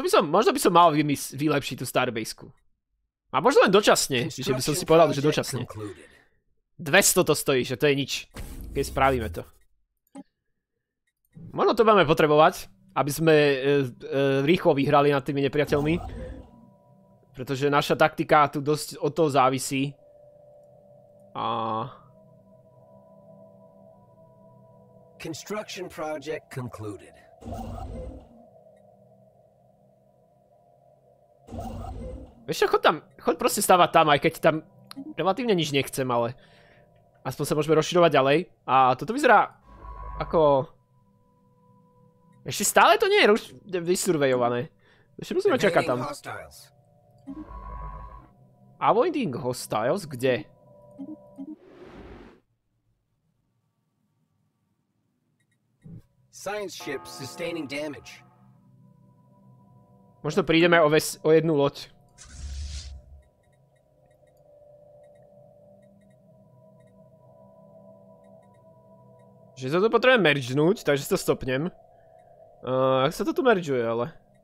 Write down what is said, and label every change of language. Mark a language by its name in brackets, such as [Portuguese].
[Slovak] Možno by som mal vylepšiť tú starbase-ku. A možno len dočasne, že by som si povedal, že dočasne. 200 to stojí, že to je nič. Keď spravíme to. Možno to budeme potrebovať. Aby sme rýchlo vyhrali nad tými nepriateľmi. Pretože naša taktika tu dosť od toho závisí. [English] A construction project concluded. [Slovak] Vieš čo, choď proste stávať tam, aj keď tam relatívne nič nechcem, ale aspoň sa môžeme rozširovať ďalej. A toto vyzerá ako ešte stále to nie je vysurvejované. Ešte musíme čakať tam. [English] Avoiding hostiles? [Slovak] Kde? [English] Science ship sustaining damage. [Slovak] Možno prídeme o jednu loď. Že sa to potrebujem mergenúť, takže to stopnem. Jak sa to tu meržuje, ale?